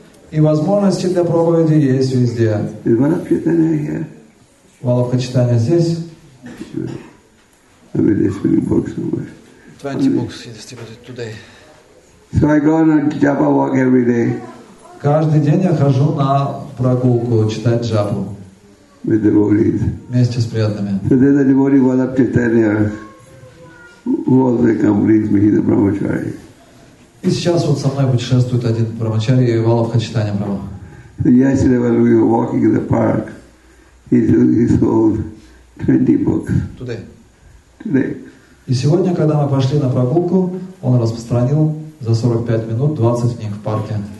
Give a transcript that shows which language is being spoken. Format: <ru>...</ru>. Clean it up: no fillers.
<ru>И возможности для проповеди есть везде.</ru> <en>Is Valabh Chaitanya here?</en> <ru>Valabh Chaitanya здесь?</ru> <en>I'm listening to books somewhere. 20 books distributed today. So I go on a japa walk every day.</en> <ru>Каждый день я хожу на прогулку читать джапу.</ru> <en>With devotees.</en> <ru>Вместе с преданными.</ru> <en>So there's a devotee Valabh Chaitanya who also accompanies me, he's a brahmachari.</en> <ru>И сейчас вот со мной путешествует один брахмачари и Валабх Чайтанья Прабху.</ru> <en>Yesterday when we were walking in the park, he sold 20 books. Today.</en> <ru>И сегодня, когда мы пошли на прогулку, он распространил за 45 минут 20 книг в парке.</ru>